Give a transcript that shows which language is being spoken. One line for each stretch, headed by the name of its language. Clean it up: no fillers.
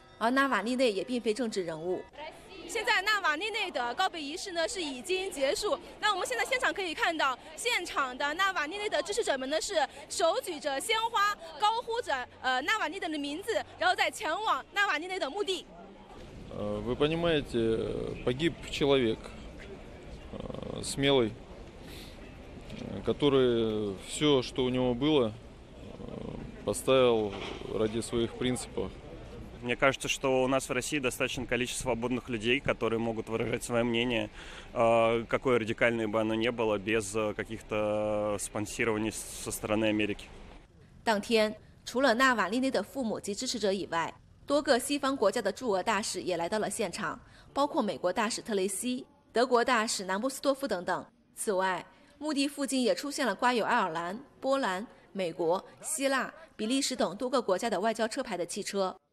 Chinese: 而纳瓦利内也并非政治人物。现在纳瓦利内的告别仪式呢是已经结束，那我们现在现场可以看到，现场的纳瓦利内的支持者们呢是手举着鲜花高呼着纳瓦利内的名字，然后在前往纳瓦利内的墓地。
Russian: Вы понимаете, погиб человек, смелый, который все, что у него было, поставил ради своих принципов. Мне кажется, что у нас в России достаточно количество свободных людей, которые могут выражать свое мнение, какое радикальное бы оно ни было, без каких-то спонсирований со стороны Америки.
Chinese: 当天，除了纳瓦利内的父母及支持者以外，多个西方国家的驻俄大使也来到了现场，包括美国大使特雷西、德国大使南波斯多夫等等。此外，墓地附近也出现了挂有爱尔兰、波兰、美国、希腊、比利时等多个国家的外交车牌的汽车。